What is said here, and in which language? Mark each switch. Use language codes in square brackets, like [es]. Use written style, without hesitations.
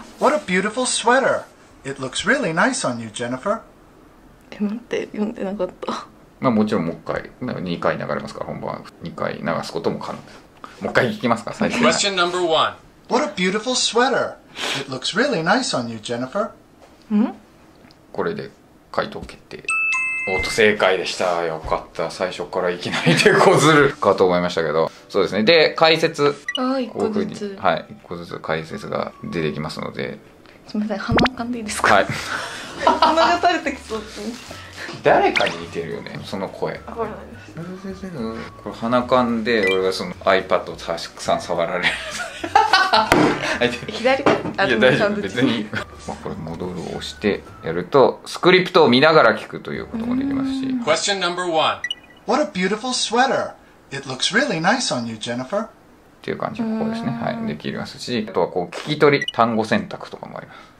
[en] What a beautiful sweater. It looks really nice on you, Jennifer. [ja] え、待って、読んでなかった。まあもちろんもう一回、二回流れますから、本番は二回流すことも可能です。もう一回聞きますか、最初。 [en] Question number one. What a beautiful sweater. It looks really nice on you, Jennifer. ん？ [ja] これで回答決定。おっと、正解でした。よかった、最初からいきなり手こずるかと思いましたけど、そうですね。で、解説、あー、1個ずつ、はい、1個ずつ解説が出てきますので、すみません、鼻かんでいいですか？はい鼻が垂れてきそうって誰かに似てるよね、その声。分からないです。先生のこれ鼻かんで、俺がその iPad をたくさん触られる左か、いや大丈夫、別にまあこれ戻るを押してやると、スクリプトを見ながら聞くということもできますし。 [en] Question number one. What a beautiful sweater. It looks really nice on you, Jennifer. [ja] っていう感じの、こうですね、はい、できますし、あとはこう聞き取り、単語選択とかもあります。